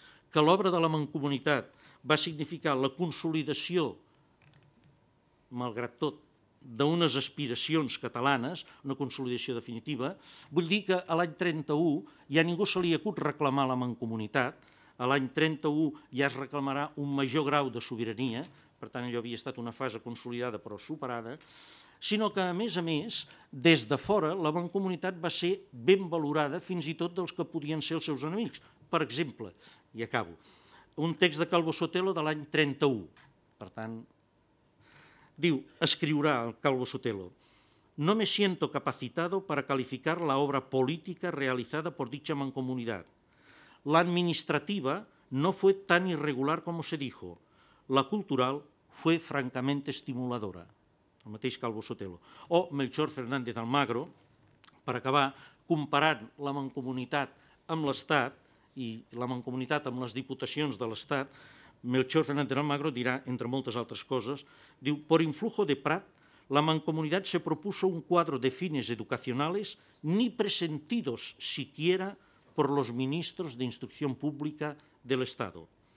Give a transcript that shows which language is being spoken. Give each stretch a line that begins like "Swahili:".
Catalan: Que l'obra de la Mancomunitat va significar la consolidació, malgrat tot, d'unes aspiracions catalanes, una consolidació definitiva, vull dir que a l'any 31 ja ningú se li acut reclamar la Mancomunitat, a l'any 31 ja es reclamarà un major grau de sobirania, per tant allò havia estat una fase consolidada però superada, sinó que a més, des de fora la Mancomunitat va ser ben valorada fins i tot dels que podien ser els seus enemics. Per exemple, i acabo, un text de Calvo Sotelo
Spanish: de l'any 31, per tant, diu, escriurà el Calvo Sotelo: no me siento capacitado para calificar la obra política realizada por dicha mancomunidad. La administrativa no fue tan irregular como se dijo. la cultural fue francamente estimuladora,
Catalan: el mateix Calvo Sotelo. O Melchor Fernández Almagro, per acabar, comparant la Mancomunitat amb l'Estat i la Mancomunitat amb les diputacions de l'Estat, Melchor Fernández Almagro dirà, entre moltes altres coses, diu,
Spanish: por influjo de Prat, la Mancomunitat se propuso un cuadro de fines educacionales ni presentidos siquiera por los ministros de instrucción pública del Estado.